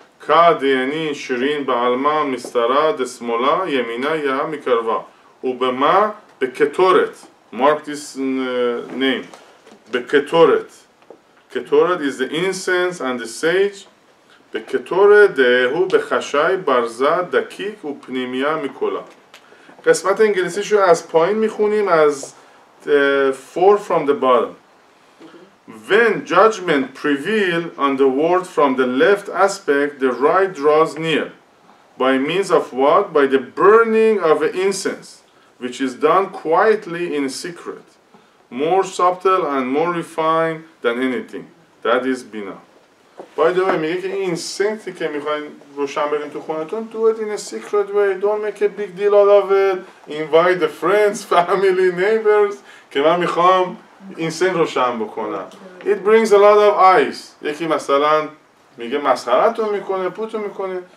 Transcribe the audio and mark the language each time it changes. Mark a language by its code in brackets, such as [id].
[arc] כה דייני שירין בעלמה מסתרה דשמאלה ימינה יאה מקרבה ובמה בכתורת [en] mark this name [arc] בכתורת כתורת [en] is the incense and the sage [arc] בכתורת דהו בחשאי ברזה דקיק ופנימיה מקולה. [fa] قسمت انگلیسیشو از پایین میخونیم از [en] four from the bottom. When judgment prevail on the world from the left aspect, the right draws near. By means of what? By the burning of incense, which is done quietly in secret, more subtle and more refined than anything. That is Bina. By the way, [fa] میگه که این سنتی که میخواین روشن بگیم تو خونتون, [en] do it in a secret way. Don't make a big deal out of it. Invite the friends, family, neighbors. [fa] که من میخوام این سن روشن بکنم. [en] It brings a lot of eyes. [fa] یکی مثلا میگه مسخرتو میکنه، پوتو میکنه.